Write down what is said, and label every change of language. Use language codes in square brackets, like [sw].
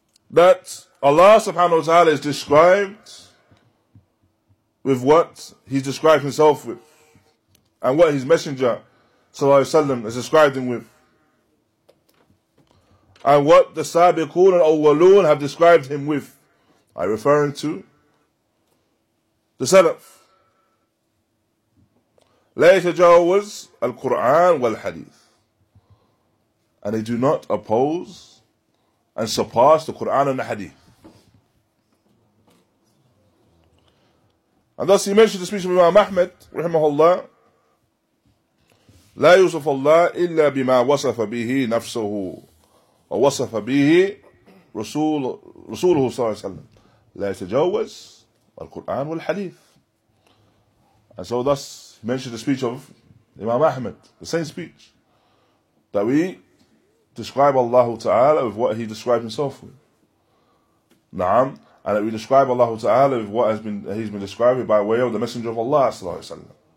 [en] That Allah subhanahu wa ta'ala is described with what He's described Himself with, and what His Messenger sallallahu alayhi wa sallam has described Him with, and what the Sabiqun and Awwalun have described Him with. I'm referring to The Salaf. [ar] لا يتجاوز القرآن والحديث. [en] And they do not oppose and surpass the Quran and the Hadith. And thus he mentioned the speech of Imam Ahmed, rahimahullah, [ar] لا يوصف الله إلا بما وصف به نفسه ووصف به رسوله صلى الله عليه وسلم. لا يتجاوز القرآن والحديث. [en] And so thus he mentioned the speech of Imam Ahmed, the same speech that we describe Allah Ta'ala with what he described himself with. Na'am. And that we describe Allah Ta'ala with what he's been describing by way of the Messenger of Allah Sallallahu Alaihi Wasallam.